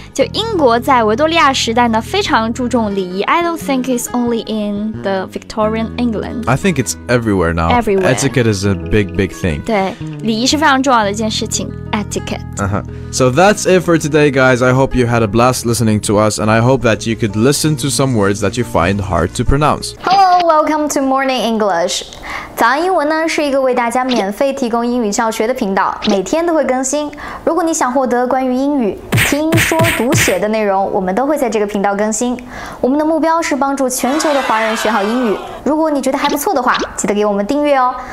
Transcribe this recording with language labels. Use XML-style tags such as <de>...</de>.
<zh>就英国在维多利亚时代呢，非常注重礼仪。</zh> <en>I don't think it's only in the Victorian England. I think it's everywhere now. Everywhere. Etiquette is a big, big thing.</en> <zh>对，礼仪是非常重要的一件事情。</zh> <en>Etiquette. Uh-huh. So that's it for today, guys. I hope you had a blast listening to us, and I hope that you could listen to some words that you find hard to pronounce. Hello, welcome to Morning English.</en> <zh>早安英文呢是一个为大家免费提供英语教学的频道，每天都会更新。如果你想获得关于英语听说读写的内容，我们都会在这个频道更新。我们的目标是帮助全球的华人学好英语。如果你觉得还不错的话，记得给我们订阅哦。</zh>